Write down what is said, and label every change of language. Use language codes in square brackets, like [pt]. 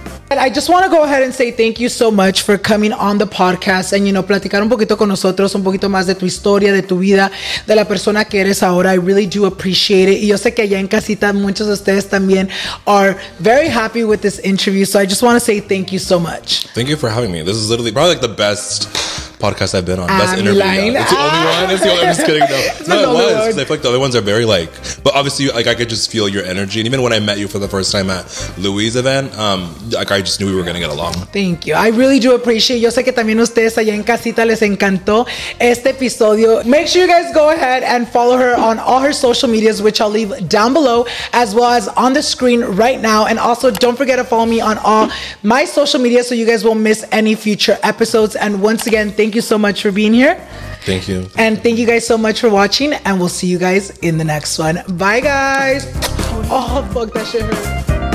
[en] And I just want to go ahead and say thank you so much for coming on the podcast and, you know, [es] platicar un poquito con nosotros, un poquito más de tu historia, de tu vida, de la persona que eres ahora. [en] I really do appreciate it. [es] Y yo sé que allá en casita muchos de ustedes también [en] are very happy with this interview. So I just want to say thank you so much. Thank you for having me. This is literally probably like the best podcast I've been on. Best interview. Yeah. It's the only one. It's the only, I'm just kidding. No, it was. I feel like the other ones are very like, but obviously, like, I could just feel your energy. And even when I met you for the first time at Louis' event, like, I just knew we were going to get along. Thank you. I really do appreciate. [es] Yo sé que también ustedes allá en casita les encantó este episodio. [en] Make sure you guys go ahead and follow her on all her social medias, which I'll leave down below, as well as on the screen right now. And also, don't forget to follow me on all my social media so you guys won't miss any future episodes. And once again, thank you so much for being here. Thank you. And thank you guys so much for watching. And we'll see you guys in the next one. Bye, guys. Oh, fuck, that shit hurt.